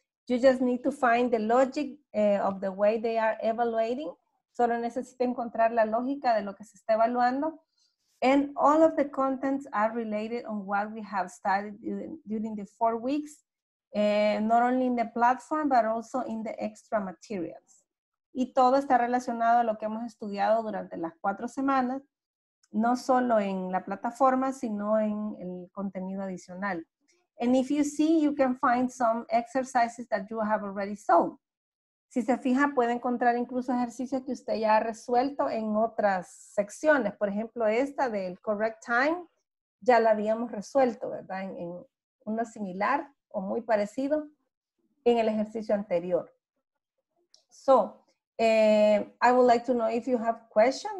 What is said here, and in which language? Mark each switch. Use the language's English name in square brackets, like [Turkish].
[English] You just need to find the logic of the way they are evaluating. [Spanish] Solo necesita encontrar la lógica de lo que se está evaluando. [English] And all of the contents are related on what we have studied during the 4 weeks. Not only in the platform, but also in the extra materials. [Spanish] Y todo está relacionado a lo que hemos estudiado durante las 4 semanas, no solo en la plataforma, sino en el contenido adicional. [English] And if you see, you can find some exercises that you have already solved. [Spanish] Si se fija, puede encontrar incluso ejercicios que usted ya ha resuelto en otras secciones. Por ejemplo, esta del correct time, ya la habíamos resuelto, ¿verdad? En una similar o muy parecido en el ejercicio anterior. [English] So, I would like to know if you have questions.